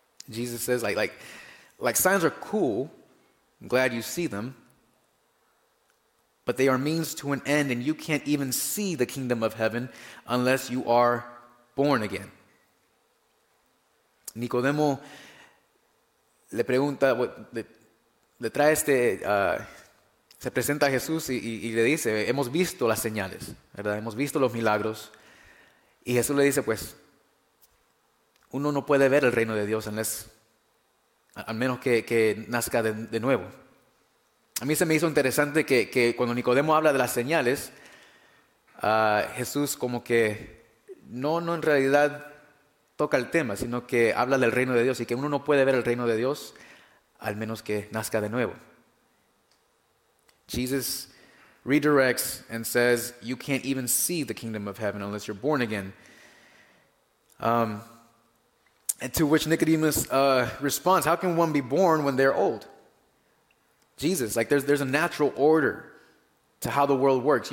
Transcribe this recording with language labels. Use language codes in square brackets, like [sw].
[en] Jesus says, like signs are cool. I'm glad you see them. But they are means to an end. And you can't even see the kingdom of heaven unless you are born again. [es] Nicodemo le pregunta, le trae este, se presenta a Jesús y le dice, "Hemos visto las señales, ¿verdad? Hemos visto los milagros." Y Jesús le dice, pues, uno no puede ver el reino de Dios al menos que nazca de nuevo. A mí se me hizo interesante que cuando Nicodemo habla de las señales, Jesús como que, no en realidad toca el tema, sino que habla del reino de Dios y que uno no puede ver el reino de Dios al menos que nazca de nuevo. [en] Jesus redirects and says, "You can't even see the kingdom of heaven unless you're born again." And to which Nicodemus responds, "How can one be born when they're old?" Jesus, like there's a natural order to how the world works.